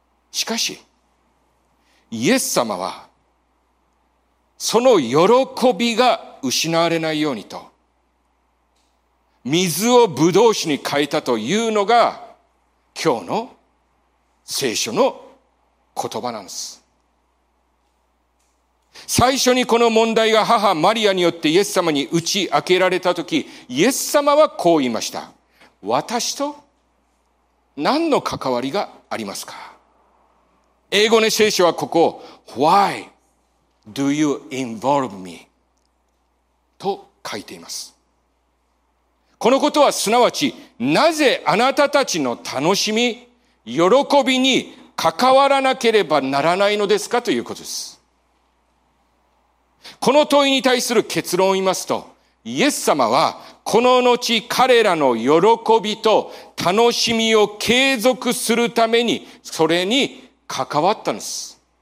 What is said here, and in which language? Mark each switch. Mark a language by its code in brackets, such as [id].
[ja] しかしイエス様はその喜びが失われないようにと、水をブドウ酒に変えたというのが今日の聖書の言葉なんです。最初にこの問題が母マリアによってイエス様に打ち明けられた時、イエス様はこう言いました。私と何の関わりがありますか？英語の聖書はここ、 [en] Why do you involve me? [ja] と書いています。このことはすなわち、なぜあなたたちの楽しみ、喜びに関わらなければならないのですかということです。この問いに対する結論を言いますと、イエス様はこの後彼らの喜びと楽しみを継続するためにそれに関わったんです。